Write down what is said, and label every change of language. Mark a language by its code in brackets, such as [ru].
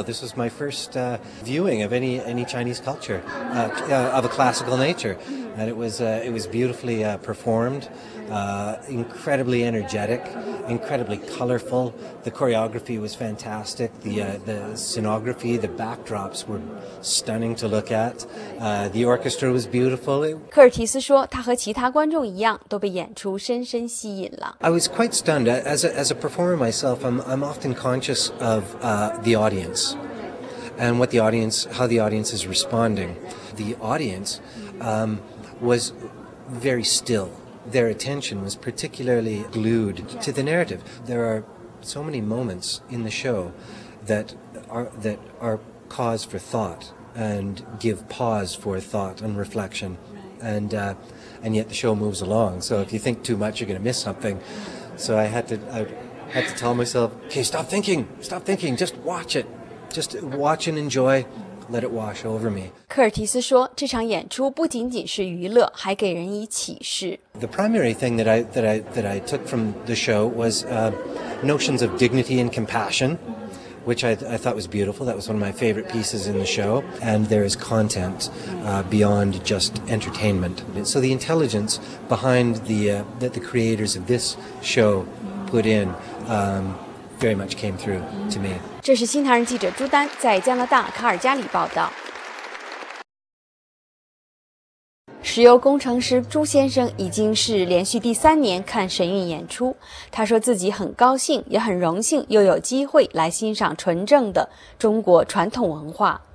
[en] This was my first viewing of any Chinese culture of a classical nature. And it was beautifully performed, incredibly energetic, incredibly colorful. The choreography was fantastic. The scenography, the backdrops were stunning to look at. The orchestra was beautiful. [zh] 科尔提斯说，他和其他观众一样，都被演出深深吸引了。 [en] I was quite stunned. As a performer myself, I'm often conscious of the audience and how the audience is responding. The audience was very still. Their attention was particularly glued to the narrative. There are so many moments in the show that are cause for thought and give pause for thought and reflection, and yet the show moves along. So if you think too much, you're going to miss something. So I had to tell myself, okay, stop thinking, just watch and enjoy. Let it wash over me. [zh] 科尔提斯说，这场演出不仅仅是娱乐，还给人以启示。 [en] The primary thing that I took from the show was notions of dignity and compassion, which I thought was beautiful. That was one of my favorite pieces in the show. And there is content beyond just entertainment. So the intelligence behind that the creators of this show put in very much came through to me. [zh] 这是新唐人记者朱丹在加拿大卡尔加里报道。石油工程师朱先生已经是连续第三年看神韵演出，他说自己很高兴，也很荣幸又有机会来欣赏纯正的中国传统文化。